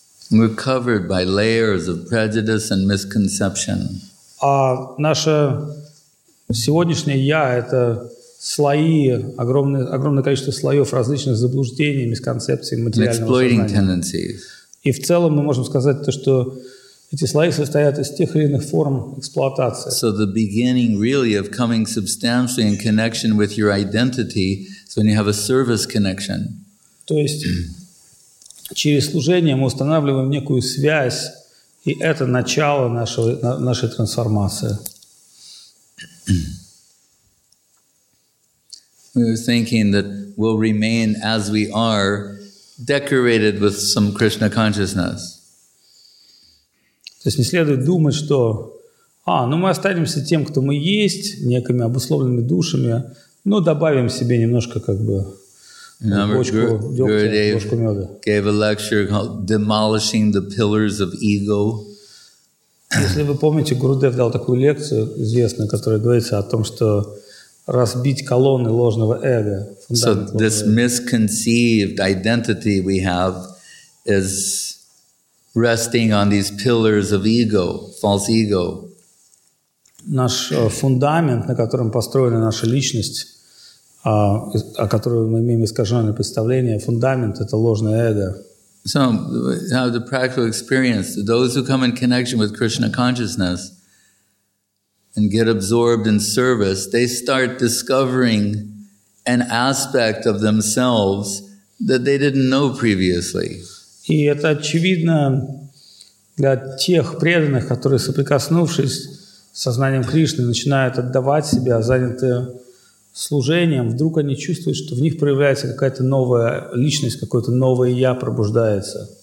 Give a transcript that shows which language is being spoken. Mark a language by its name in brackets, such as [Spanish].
[English] We're covered by layers of prejudice and misconception. [Russian] А наше сегодняшнее «я» — это слои, огромное количество слоев различных заблуждений, мисконцепций, материального [English] Exploiting [Russian] сознания. [English] Tendencies. [Russian] И в целом мы можем сказать то, что эти слои состоят из тех или иных форм эксплуатации. [English] So the beginning really of coming substantially in connection with your identity is when you have a service connection. [Russian] То есть через служение мы устанавливаем некую связь, и это начало нашей трансформации. [English] We were thinking that we'll remain as we are, decorated with some Krishna consciousness. [Russian] То есть не следует думать, что мы останемся тем, кто мы есть, некими обусловленными душами, но добавим себе немножко как бы бочку дегтя, бочку меда. [English] Gave a lecture called Demolishing the Pillars of Ego. [Russian] Если вы помните, Гурудев дал такую лекцию известную, которая говорится о том, что разбить колонны ложного эго. [English] So this misconceived identity we have is resting on these pillars of ego, false ego. [Russian] Наш фундамент, на котором построена наша личность, о которой мы имеем искаженное представление, фундамент — это ложное эго. [English] So, have the practical experience. Those who come in connection with Krishna consciousness and get absorbed in service, they start discovering an aspect of themselves that they didn't know previously. [Russian] И это очевидно для тех преданных, которые, соприкоснувшись с сознанием Кришны, начинают отдавать себя, заняты служением, вдруг они чувствуют, что в них проявляется какая-то новая личность, какое-то новое «я» пробуждается.